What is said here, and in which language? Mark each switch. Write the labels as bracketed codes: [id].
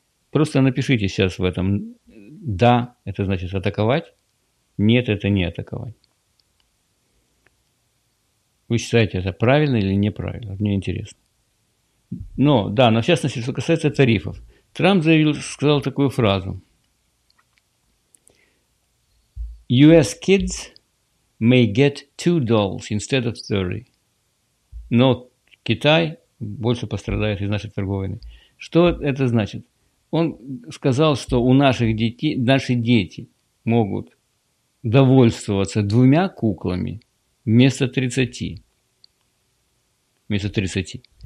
[ru] Просто напишите сейчас в этом: да, это значит атаковать, нет, это не атаковать. Вы считаете, это правильно или неправильно? Мне интересно. Но, да, но в частности, что касается тарифов. Трамп заявил, сказал такую фразу: [en] US kids may get $2 instead of 30. [ru] Но Китай больше пострадает из нашей торговли. Что это значит? он сказал, что у наших детей, наши дети могут довольствоваться 2 куклами вместо 30. Вместо 30.